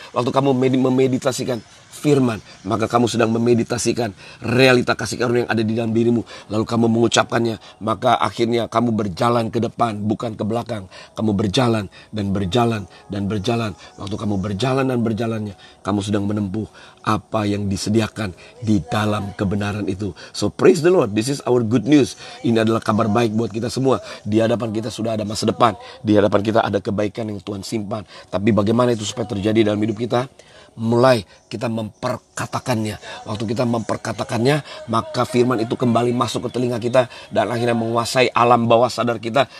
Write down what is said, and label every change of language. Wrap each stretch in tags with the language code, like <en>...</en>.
<id>Waktu kamu memeditasikan firman, maka kamu sedang memeditasikan realita kasih karunia yang ada di dalam dirimu. Lalu kamu mengucapkannya, maka akhirnya kamu berjalan ke depan, bukan ke belakang. Kamu berjalan dan berjalan dan berjalan. Waktu kamu berjalan dan berjalannya, kamu sedang menempuh apa yang disediakan di dalam kebenaran itu.</id> <en>So praise the Lord, this is our good news.</en> <id>Ini adalah kabar baik buat kita semua. Di hadapan kita sudah ada masa depan. Di hadapan kita ada kebaikan yang Tuhan simpan. Tapi bagaimana itu supaya terjadi dalam hidup kita? Mulai kita memperkatakannya. Waktu kita memperkatakannya, maka firman itu kembali masuk ke telinga kita dan akhirnya menguasai alam bawah sadar kita.</id>